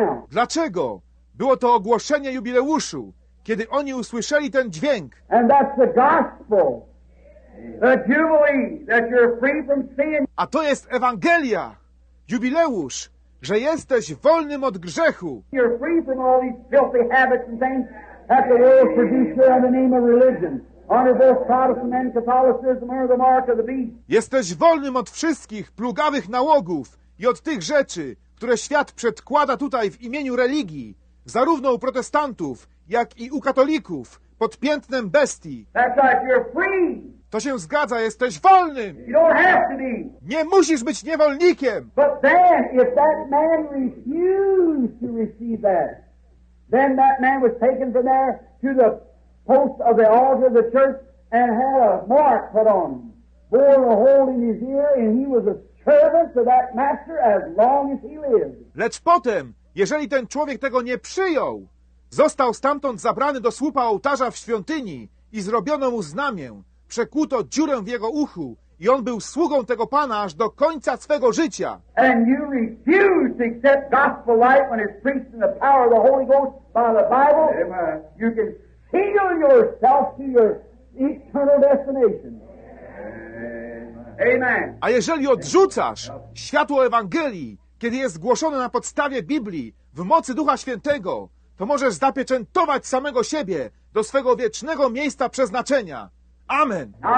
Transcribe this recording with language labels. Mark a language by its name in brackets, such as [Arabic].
[Polish] Dlaczego? Było to ogłoszenie jubileuszu, kiedy oni usłyszeli ten dźwięk. [English] And that's the gospel. The jubilee, that you're free from sin. [Polish] A to jest Ewangelia. Jubileusz, że jesteś wolnym od grzechu. [English] You're free from all these filthy habits and things that the world produces in the name of religion. Under both Protestant and Catholicism under the mark of the beast. [Polish] Jesteś wolnym od wszystkich plugawych nałogów i od tych rzeczy, które świat przedkłada tutaj w imieniu religii, zarówno u protestantów, jak i u katolików, pod piętnem bestii. [English] That's right, you're free. [Polish] To się zgadza, jesteś wolnym. [English] You don't have to be. [Polish] Nie musisz być niewolnikiem. [English] But then, if that man refused to receive that, then that man was taken from there to the post of the altar of the church and had a mark put on him, bore a hole in his ear, and he was a servant to that master as long as he lived. [Polish] Lecz potem, jeżeli ten człowiek tego nie przyjął, został stamtąd zabrany do słupa ołtarza w świątyni i zrobiono mu znamię, przekuto dziurę w jego uchu i on był sługą tego Pana aż do końca swego życia. [English] And you refuse to accept gospel light when it's preached in the power of the Holy Ghost by the Bible. Amen. You can seal yourself to your eternal destination. Amen. [Polish] A jeżeli odrzucasz światło Ewangelii, kiedy jest głoszone na podstawie Biblii, w mocy Ducha Świętego, to możesz zapieczętować samego siebie do swego wiecznego miejsca przeznaczenia. Amen.